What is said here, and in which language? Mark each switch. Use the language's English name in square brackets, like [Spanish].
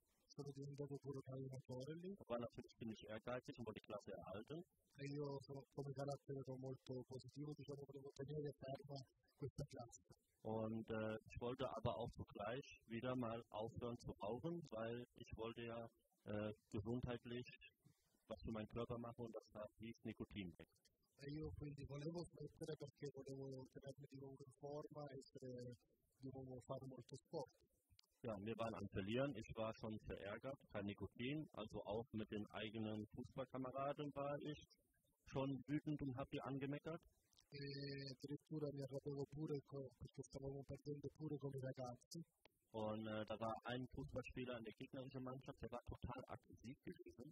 [Italian] Sono diventato pure allenatore lì. [German] Aber natürlich bin ich ehrgeizig und wollte die Klasse erhalten. [Italian] E io sono come carattere sono molto positivo, diciamo, volevo tenere ferma questa classe. [German] Und ich wollte aber auch zugleich wieder mal aufhören zu rauchen, weil ich wollte ja gesundheitlich was für meinen Körper machen und das hieß Nikotin weg. [Italian] E io quindi volevo smettere perché volevo tenermi di nuovo in forma e essere di nuovo fare molto sport. [German] Ja, wir waren am Verlieren, ich war schon verärgert, kein Nikotin, also auch mit den eigenen Fußballkameraden war ich schon wütend und habe die angemeckert. [Italian] E addirittura mi arrabbiavo pure perché stavamo perdendo pure con i ragazzi. [German] Und da war ein Fußballspieler in der gegnerischen Mannschaft, der war total aggressiv gewesen.